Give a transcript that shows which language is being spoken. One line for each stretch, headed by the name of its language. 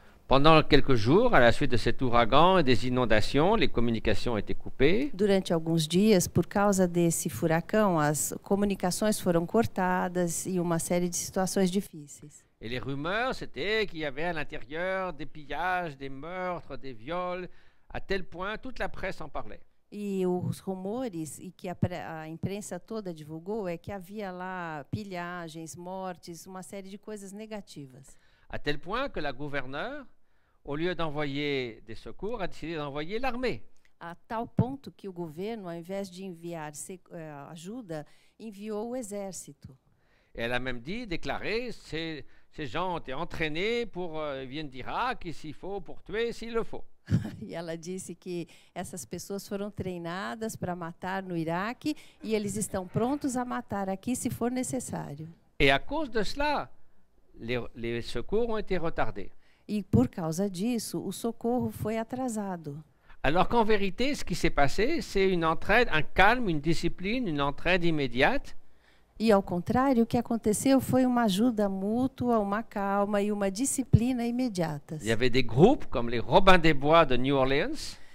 French: Pendant quelques jours, à la suite de cet ouragan et des inondations, les communications étaient coupées.
Portuguese: Durante alguns dias, por causa desse furacão, as comunicações foram cortadas e uma série de situações difíceis.
French: Et les rumeurs, c'était qu'il y avait à l'intérieur des pillages, des meurtres, des viols, à tel point toute la presse en parlait.
Portuguese: E os rumores e que a imprensa toda divulgou é que havia lá pilhagens, mortes, uma série de coisas negativas.
French: À tel point que la gouverneure, au lieu d'envoyer des secours, a décidé d'envoyer l'armée.
Portuguese: A tal ponto que o governo, ao invés de enviar ajuda, enviou o exército.
French: Et elle a même dit, déclaré, ces gens ont été entraînés pour viennent d'Irak, s'il faut, pour tuer, s'il le faut.
Portuguese: E ela disse que essas pessoas foram treinadas para matar no Iraque e eles estão prontos a matar aqui se for necessário.
French: Et à cause de cela, les secours ont été retardés.
Portuguese: E por causa disso, o socorro foi atrasado.
French: Alors qu'en vérité, ce qui s'est passé, c'est une entraide, un calme, une discipline, une entraide immédiate.
Portuguese: E ao contrário, o que aconteceu foi uma ajuda mútua, uma calma e uma disciplina imediatas.
French: Il y avait des groupes comme les Robins des Bois de New Orleans.